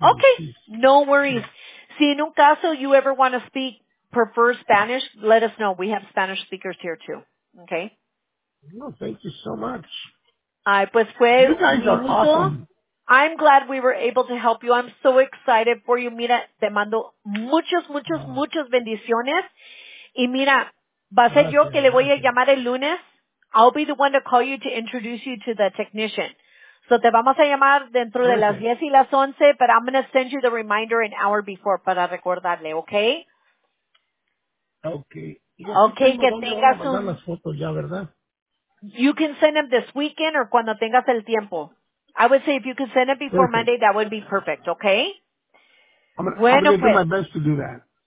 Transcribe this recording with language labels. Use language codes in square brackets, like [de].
[en] Okay. No worries. [es] Si en un caso [en] you ever want to speak, prefer Spanish, let us know. We have Spanish speakers here too. Okay? No, thank you so much. [es] Ay, pues fue [en] you guys are awesome. I'm glad we were able to help you. I'm so excited for you. [es] Mira, te mando muchos, muchos, muchos bendiciones. Y mira, va a ser yo que le voy a llamar el lunes. [en] I'll be the one to call you to introduce you to the technician. So [es] te vamos a llamar dentro de las 10 y las 11, [en] but I'm going to send you the reminder an hour before [es] para recordarle, [en] okay? Okay. [es] Okay, que tengas un... las fotos ya, ¿verdad? [en] You can send them this weekend or [es] cuando tengas el tiempo. [en] I would say if you could send it before Monday, that would be perfect, okay? I'm going to do my best to do that.